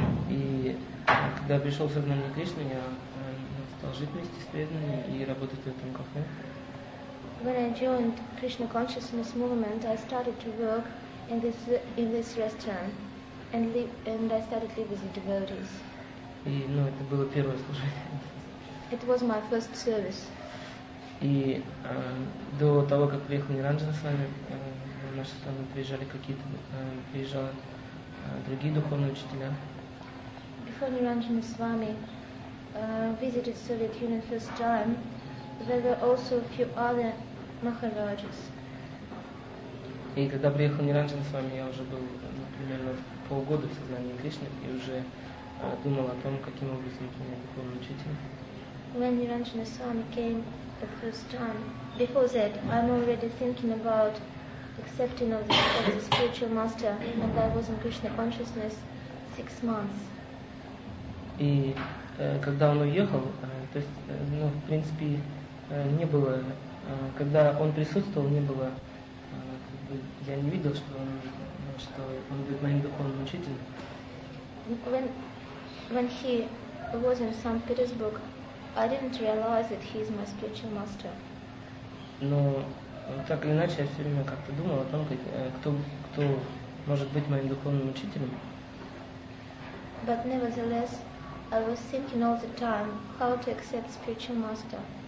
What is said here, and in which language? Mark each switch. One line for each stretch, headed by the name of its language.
Russian: И когда пришел сознание Кришны, я стал жить вместе с преданными и работать в этом кафе.
English: When I joined Krishna consciousness movement, I started to work in this restaurant and I started to live with the devotees.
Russian: И, ну, это было первое служение.
English: It was my first service.
Russian: И до того, как приехал Ниранджана с вами, в нашу страну приезжали какие-то приезжали другие духовные учителя.
English: Before Niranjana Swami visited Soviet Union first time, there were also a few other maharajas.
Russian: И когда приехал Ниранджана Свами, я уже был примерно полгода в сознании Кришны и уже думал о том, каким образом принять духовного учителя.
English: When Niranjana Swami came the first time, before that, I'm already thinking about accepting of the spiritual master, and I was in Krishna consciousness 6 months.
Russian: И когда он уехал, то есть, ну, в принципе, не было, когда он присутствовал, не было, как бы, я не видел, что он будет моим духовным учителем.
English: When he was in St. Petersburg, I didn't realize that he is my spiritual master.
Russian: Но так или иначе, я все время как-то думал о том, кто может быть моим духовным учителем.
English: But nevertheless, I was thinking all the time how to accept spiritual master.